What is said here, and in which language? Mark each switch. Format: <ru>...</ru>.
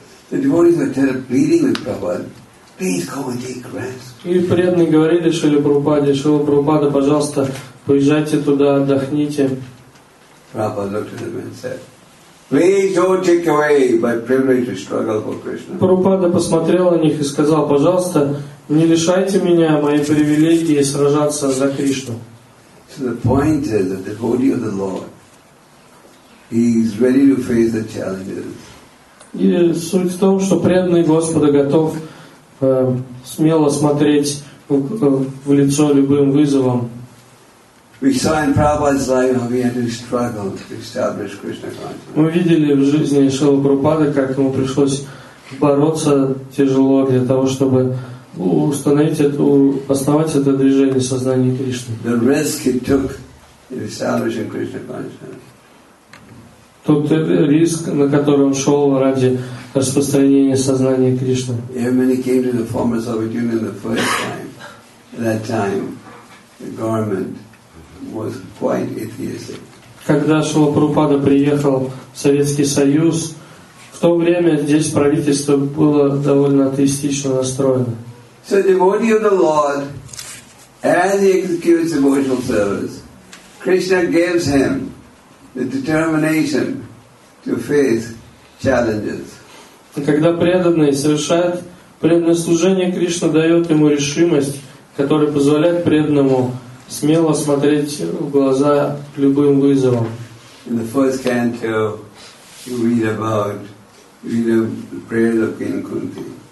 <ru>И преданные говорили Шриле Прабхупаде: «Шрила Прабхупада, пожалуйста, поезжайте туда, отдохните». Прабхупада посмотрел на них и сказал: «Пожалуйста, не лишайте меня моей привилегии сражаться за Кришну».</ru> <en>So the point is that the devotee of the Lord, he is ready to face the challenges.</en> <ru>И суть в том, что преданный Господа готов смело смотреть в лицо любым вызовам.</ru> <en>We saw in Prabhupada's life how he had to struggle to establish Krishna consciousness.</en> <ru>Мы видели в жизни Шрилы Прабхупады, как ему пришлось бороться тяжело для того, чтобы установить это, основать это движение сознания Кришны.</ru> <en>The risk he took in establishing Krishna consciousness.</en> <ru>Тот риск, на который он шел ради распространения сознания Кришны.</ru> <en>Even when he came to the former Soviet Union the first time, at that time, the government was quite atheistic.</en> <ru>Когда Шрила Прабхупада приехал в Советский Союз, в то время здесь правительство было довольно атеистично настроено.</ru> <en>So devotee of the Lord, as he executes devotional service, Krishna gives him the determination to face challenges.</en> <ru>Когда преданный совершает преданное служение, Кришна дает ему решимость, которая позволяет преданному смело смотреть в глаза любым вызовам.</ru> <en>In the first canto, you read the prayers of King Kunti.</en>